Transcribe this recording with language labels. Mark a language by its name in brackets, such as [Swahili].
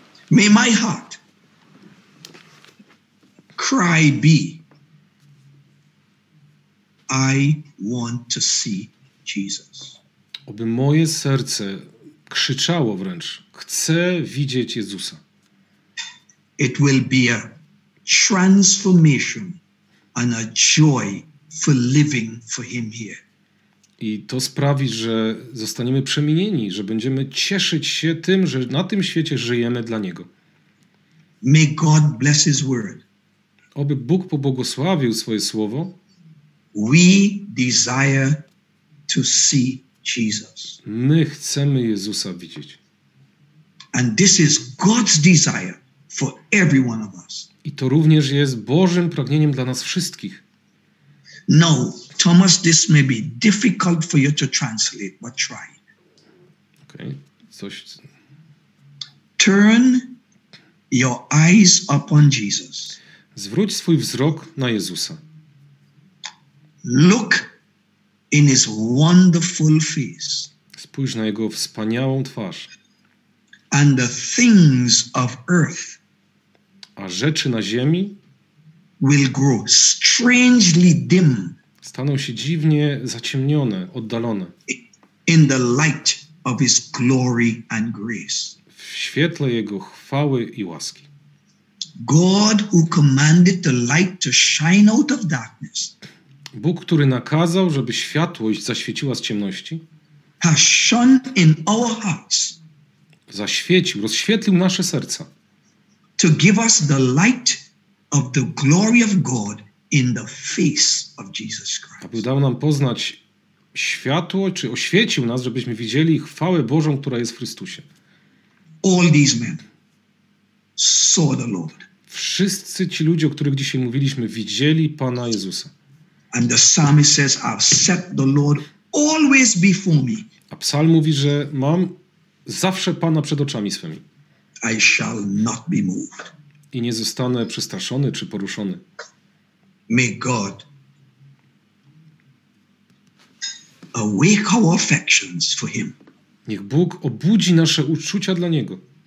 [English] May my heart cry be, I want to see Jesus. [Polish] Oby moje serce krzyczało wręcz, chcę widzieć Jezusa. [English] It will be a transformation and a joy for living for Him here. [Polish] I to sprawi, że zostaniemy przemienieni, że będziemy cieszyć się tym, że na tym świecie żyjemy dla Niego. [English] May God bless His word. [Polish] Oby Bóg pobłogosławił swoje słowo. [English] We desire to see Jesus. [Polish] My chcemy Jezusa widzieć. [English] And this is God's desire for every one of us. [Polish] I to również jest Bożym pragnieniem dla nas wszystkich. [English] No, Thomas, this may be difficult for you to translate, but try. [Polish] Okay. Coś. [English] Turn your eyes upon Jesus. [Polish] Zwróć swój wzrok na Jezusa. [English] Look in his wonderful face. [Polish] Spójrz na jego wspaniałą twarz. [English] And the things of earth. [Polish] A rzeczy na ziemi [English] will grow strangely dim. [Polish] Staną się dziwnie zaciemnione, oddalone. [English] In the light of his glory and grace. [Polish] W świetle jego chwały i łaski. [English] God who commanded the light to shine out of darkness. [Polish] Bóg, który nakazał, żeby światłość zaświeciła z ciemności. [English] Has shone in our hearts. [Polish] Zaświecił, rozświetlił nasze serca. [English] To give us the light of the glory of God in the face of Jesus Christ. [Polish] Aby dał nam poznać światło, czy oświecił nas, żebyśmy widzieli chwałę Bożą, która jest w Chrystusie. [English] All these men saw the Lord. [Polish] Wszyscy ci ludzie, o których dzisiaj mówiliśmy, widzieli Pana Jezusa. [English] And the psalmist says, I've set the Lord always before me. [Polish] A psalm mówi, że mam zawsze Pana przed oczami swymi. [English] I shall not be moved. [Polish] I nie zostanę przestraszony czy poruszony. [English] May God awake our affections for him. [Polish] Niech Bóg obudzi nasze uczucia dla Niego.